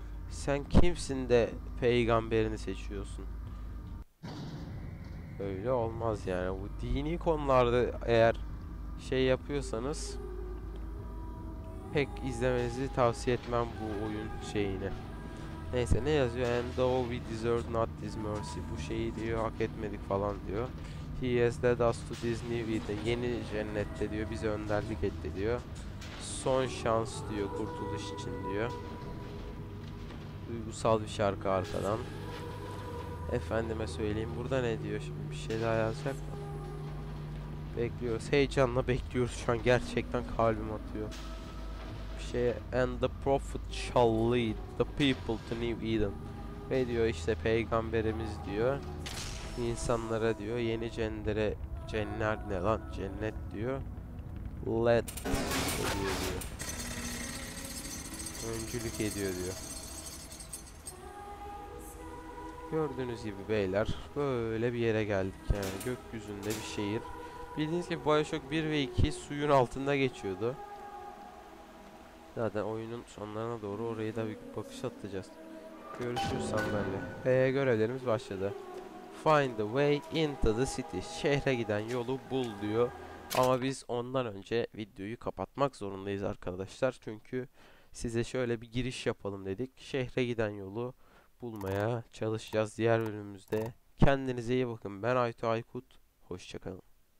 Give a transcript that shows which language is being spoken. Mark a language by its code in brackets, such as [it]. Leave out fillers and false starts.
[tr] Sen kimsin de peygamberini seçiyorsun? Öyle olmaz yani. Bu dini konularda eğer şey yapıyorsanız pek izlemenizi tavsiye etmem bu oyun şeyini. Neyse ne yazıyor? [en] And though we deserve not this mercy. [tr] Bu şeyi diyor hak etmedik falan diyor. [en] He has led us to this new Eden. [tr] Yeni cennette diyor. Bize önderlik etti diyor. Son şans diyor kurtuluş için diyor. Duygusal bir şarkı arkadan. Efendime söyleyeyim burada ne diyor şimdi, bir şey daha yazacak mı? Bekliyoruz, heyecanla bekliyoruz şu an, gerçekten kalbim atıyor. Bir şey, [en] and the prophet shall lead the people to New Eden. [tr] Ve diyor işte peygamberimiz diyor insanlara diyor yeni cennetlere, cennet ne lan, cennet diyor. Let ediyor diyor. Öncülük ediyor diyor. Gördüğünüz gibi beyler böyle bir yere geldik yani, gökyüzünde bir şehir. Bildiğiniz gibi Bioshock 1 ve 2 suyun altında geçiyordu. Zaten oyunun sonlarına doğru orayı da bir bakış atacağız. Görüşürüz sandalye. Görevlerimiz başladı. [en] Find the way into the city. [tr] Şehre giden yolu bul diyor. Ama biz ondan önce videoyu kapatmak zorundayız arkadaşlar. Çünkü size şöyle bir giriş yapalım dedik. Şehre giden yolu bulmaya çalışacağız diğer bölümümüzde. Kendinize iyi bakın. Ben Aytu Aykut. Hoşça kalın.